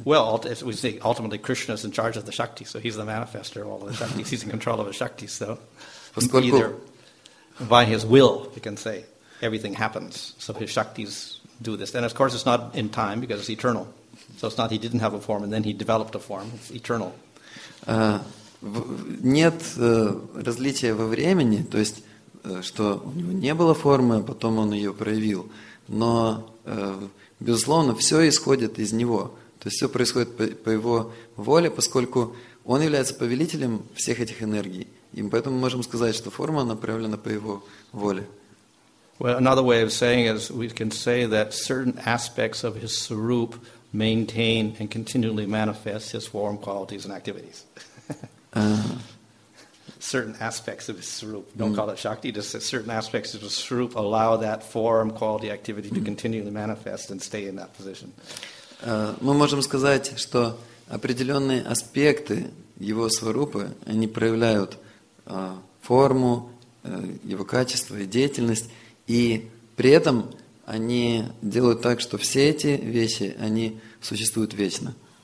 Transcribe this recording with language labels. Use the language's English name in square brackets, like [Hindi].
[English] Well, as we say, ultimately Krishna is in charge of the Shakti, so he's the manifester of all of the Shakti. He's in control of the Shakti, so either by his will, you can say, everything happens. So his Shaktis do this. And of course it's not in time, because it's eternal. So it's not he didn't have a form, and then he developed a form. It's eternal. [Russian] Нет различия во времени, то есть, что у него не было формы, а потом он ее проявил. Но... Безусловно, все исходит из него. То есть все происходит по его воле, поскольку он является повелителем всех этих энергий. И поэтому мы можем сказать, что форма направлена по его воле. [English] Well, another way of saying is we can say that certain aspects of his sarup maintain and continually manifest his form, qualities and activities. Certain aspects of his sarup, don't call it shakti, just certain aspects of his sarup allow that form, quality, activity to continually manifest and stay in that position. [Russian] Мы можем сказать, что определенные аспекты его сварупы, они проявляют форму, его качество и деятельность, и при этом они делают так, что все эти вещи, они существуют вечно.